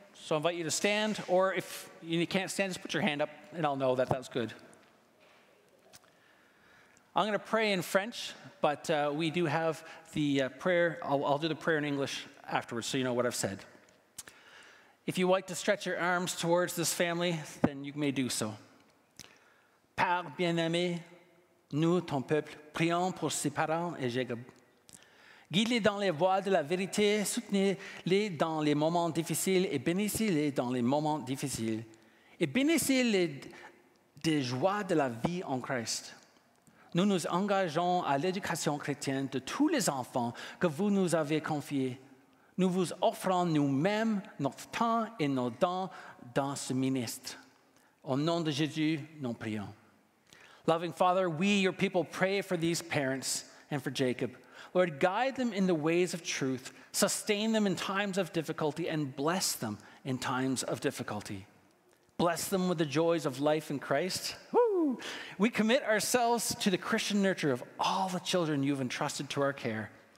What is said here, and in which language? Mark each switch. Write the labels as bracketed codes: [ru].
[en] So I invite you to stand, or if you can't stand, just put your hand up, and I'll know that that's good. I'm going to pray in French, but we do have the prayer. I'll do the prayer in English afterwards, so you know what I've said. If you'd like to stretch your arms towards this family, then you may do so. [fr] Père bien-aimé, nous, ton peuple, prions pour ses parents et Jacob. Guide-les dans les voies de la vérité, soutenez-les dans les moments difficiles et bénissez-les dans les moments difficiles. Et bénissez-les des joies de la vie en Christ. Nous nous engageons à l'éducation chrétienne de tous les enfants que vous nous avez confiés. Nous vous offrons nous-mêmes notre temps et nos dons dans ce ministre. Au nom de Jésus, nous prions. [en] Loving Father, we, your people, pray for these parents and for Jacob. Lord, guide them in the ways of truth, sustain them in times of difficulty, and bless them in times of difficulty. Bless them with the joys of life in Christ. Woo! We commit ourselves to the Christian nurture of all the children you've entrusted to our care.